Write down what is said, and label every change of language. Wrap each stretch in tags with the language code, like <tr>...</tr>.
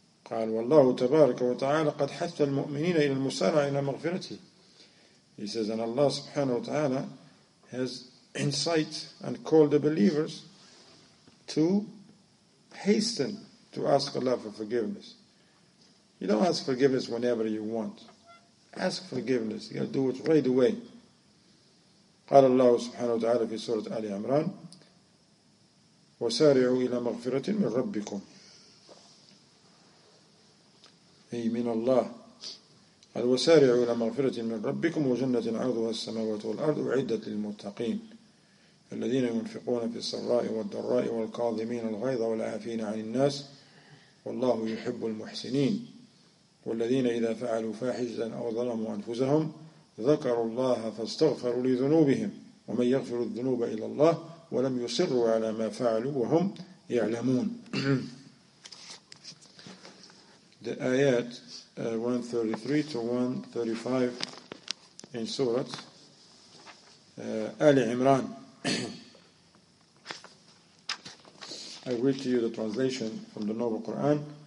<ar>قال والله تبارك وتعالى قد حث المؤمنين إلى المسارعة إلى مغفرته.</ar> <en>He says, and Allah subhanahu wa ta'ala has incited and called the believers to hasten to ask Allah for forgiveness. You don't ask forgiveness whenever you want. Ask forgiveness. You gotta do it right away.</en> <ar>قال الله سبحانه وتعالى في سورة آل عمران وسارعوا إلى مغفرة من ربكم. أي من الله قال وسارعوا إلى مغفرة من ربكم وجنة عرضها السماوات والأرض أعدت للمتقين الذين ينفقون في السراء والضراء والكاظمين الغيظ والعافين عن الناس والله يحب المحسنين والذين إذا فعلوا فاحشة أو ظلموا أنفسهم ذكروا الله فاستغفروا لذنوبهم ومن يغفر الذنوب إلى الله ولم يصروا على ما فعلوا وهم يعلمون.</ar> <en>The ayat 133 to 135 in Surah Al-Imran. I read to you the translation from the Noble Quran.</en>